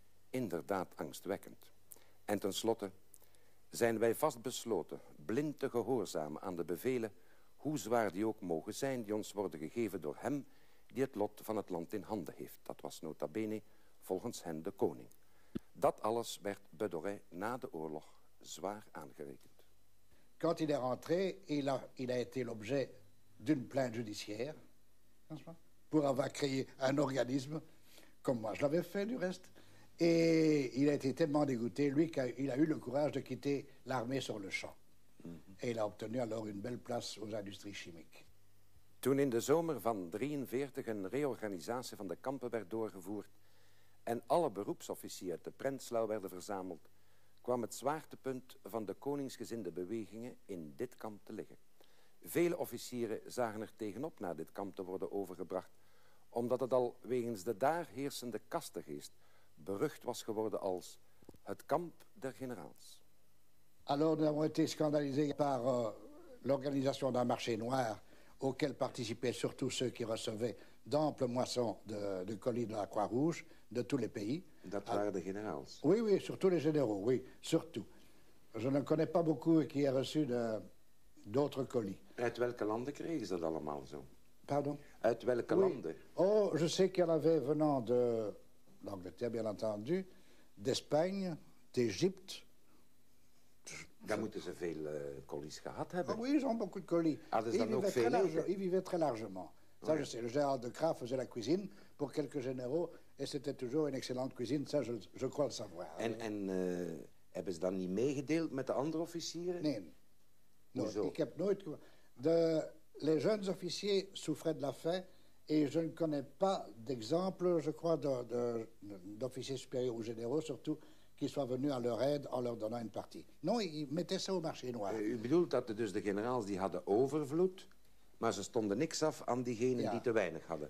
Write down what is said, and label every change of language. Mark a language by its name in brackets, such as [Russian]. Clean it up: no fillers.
[Dutch] Inderdaad angstwekkend. En tenslotte zijn wij vastbesloten blind te gehoorzamen aan de bevelen, hoe zwaar die ook mogen zijn, die ons worden gegeven door hem die het lot van het land in handen heeft. Dat was nota bene volgens hen de koning. Dat alles werd Bedoré na de oorlog zwaar aangerekend. [French] Quand il est rentré, il a été l'objet d'une plainte judiciaire. Pour avoir créé un organisme, comme moi je l'avais fait du reste. Et il a été tellement dégoûté, lui, qu'il a eu le courage de quitter l'armée sur le champ. Et il a obtenu alors une belle place aux industries chimiques. [Dutch] Toen in de zomer van 1943 een réorganisatie van de kampen werd doorgevoerd en alle beroepsofficiers uit de Prenzlau werden verzameld, kwam het zwaartepunt van de koningsgezinde bewegingen in dit kamp te liggen. Vele officieren zagen er tegenop naar dit kamp te worden overgebracht, omdat het al wegens de daar heersende kastengeest berucht was geworden als het kamp der generaals. [French] Alors nous avons été scandalisés par l'organisation d'un marché noir auquel participaient surtout ceux qui recevaient d'amples moissons de colis de la Croix-Rouge de tous les pays. [Dutch] Dat waren de generaals. [French] Oui, oui, surtout les généraux, oui, surtout. Je ne connais pas beaucoup qui a reçu d'autres colis. [Dutch] Uit welke landen kregen ze dat allemaal zo? [French] Pardon? [Dutch] Uit welke landen? [French] Oh, je sais qu'il y en avait venant de l'Angleterre, bien entendu, d'Espagne, d'Égypte. [Dutch] Dan moeten ze veel colis gehad hebben. [French] Oui, ils ont beaucoup de colis. [Dutch] Hadden ze dan ook veel? [French] Ils vivaient très largement. Ça, je sais. Le général de Graaf faisait la cuisine pour quelques généraux et c'était toujours une excellente cuisine. Ça, je crois le savoir. [Dutch] En hebben ze dan niet meegedeeld met de andere officieren? Nee. Ik heb nooit. [French] Les jeunes officiers souffraient de la faim et je ne connais pas d'exemple, je crois, d'officiers supérieurs ou généraux, surtout, qui soient venus à leur aide en leur donnant une partie. Non, ils mettaient ça au marché noir. [Dutch] U bedoelt dat dus de generaals die hadden overvloed, maar ze stonden niks af aan diegenen die te weinig hadden.